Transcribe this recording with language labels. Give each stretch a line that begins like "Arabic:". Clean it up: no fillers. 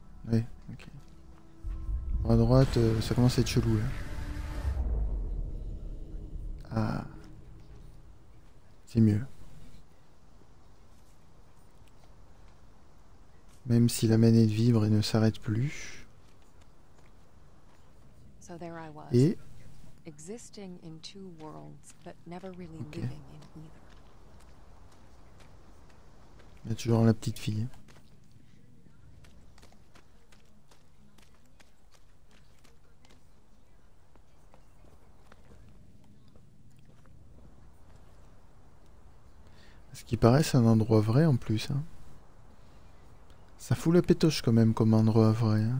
French: Oui, ok. À droite, ça commence à être chelou là. Ah. C'est mieux. Même si la manette vibre et ne s'arrête plus. Et.
English: Existing in two worlds, but never really living in either.
French: Il y a toujours la petite fille. Ce qui paraît, c'est un endroit vrai en plus. Hein. Ça fout la pétoche quand même comme endroit vrai. Hein.